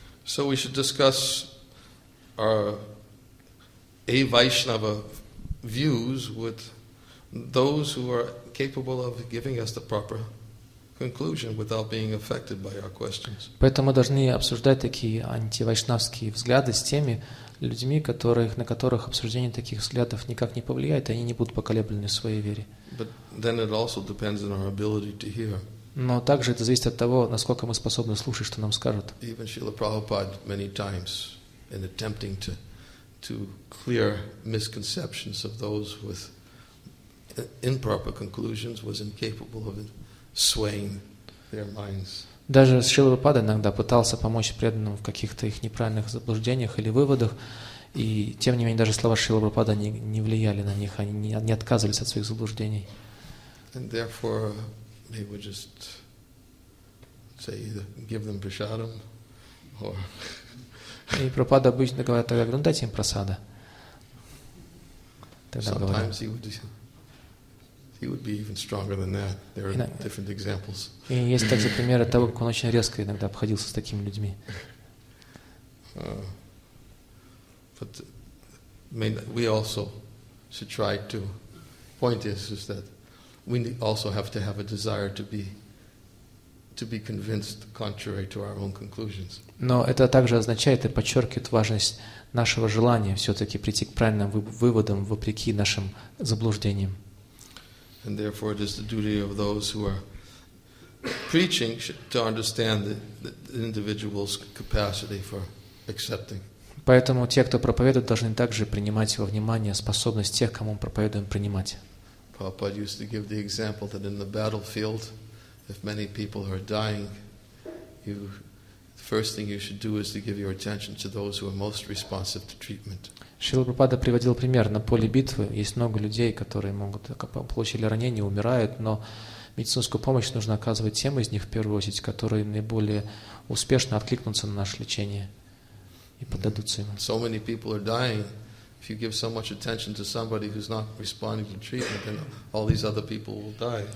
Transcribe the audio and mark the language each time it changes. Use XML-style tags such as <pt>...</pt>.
<en>So we should discuss our a Vaishnava views would those who are capable of giving us the proper conclusion without being affected by our questions.</en> <ru>Поэтому должны обсуждать такие антивайшнавские взгляды с теми людьми, которых, на которых обсуждение таких взглядов никак не повлияет, и они не будут поколеблены в своей вере.</ru> <en>But then it also depends on our ability to hear.</en> <ru>Но также это зависит от того, насколько мы способны слушать, что нам скажут.</ru> <en>Even Srila Prabhupada many times in attempting to clear misconceptions of those with improper conclusions was incapable of swaying their minds.</en> <ru>Даже Шрила Прабхупада иногда пытался помочь преданным в каких-то их неправильных заблуждениях или выводах, и тем не менее даже слова Шрила Прабхупада не влияли на них, они не отказывались от своих заблуждений.</ru> <en>And therefore they would just say either give them prasadam or</en> <ru>И Прабхупада обычно говорит тогда, ну дайте им прасада.</ru> <en>Sometimes he would be even stronger than that. There are different examples.</en> <ru>И есть также примеры того, как он очень резко иногда обходился с такими людьми.</ru> <en>But we also should try to. Point is that we also have to have a desire to be convinced contrary to our own conclusions.</en> <ru>Но это также означает и подчеркивает важность нашего желания все-таки прийти к правильным выводам вопреки нашим заблуждениям.</ru> <en>And therefore, it is the duty of those who are preaching to understand the individual's capacity for accepting.</en> <ru>Поэтому те, кто проповедует, должны также принимать во внимание способность тех, кому проповедуем, принимать.</ru> <en>Prabhupada used to give the example that in the battlefield, if many people are dying, the first thing you should do is to give your attention to those who are most responsive to treatment.</en> <ru>Шрила Прабхупада приводил пример. На поле битвы есть много людей, которые могут получили ранения, умирают, но медицинскую помощь нужно оказывать тем из них в первую очередь, которые наиболее успешно откликнутся на наше лечение и поддадутся ему.</ru> <en>So many people are dying. If you give so much attention to somebody who's not responding to treatment, then all these other people will die.</en>